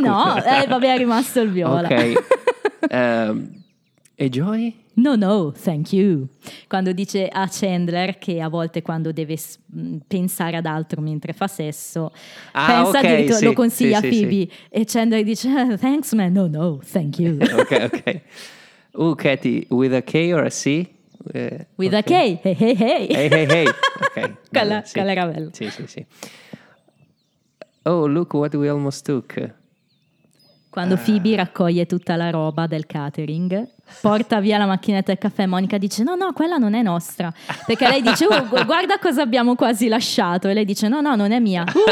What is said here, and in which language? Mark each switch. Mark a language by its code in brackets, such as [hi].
[it] No, vabbè, è rimasto il viola. Ok. E Joy? [en] No, no, thank you. [it] Quando dice a Chandler che a volte quando deve pensare ad altro mentre fa sesso, lo consiglia sì, Phoebe. Sì. E Chandler dice, [en] thanks man, no, no, thank you. Ok. Katie, with a K or a C? With okay. A K, hey, hey, hey. Hey, hey, hey, ok. [it] Quella era bella. Sì. [en] Oh, look what we almost took. [it] Quando Phoebe raccoglie tutta la roba del catering, porta via la macchinetta del caffè, Monica dice no, quella non è nostra, perché lei dice guarda cosa abbiamo quasi lasciato, e lei dice no, non è mia.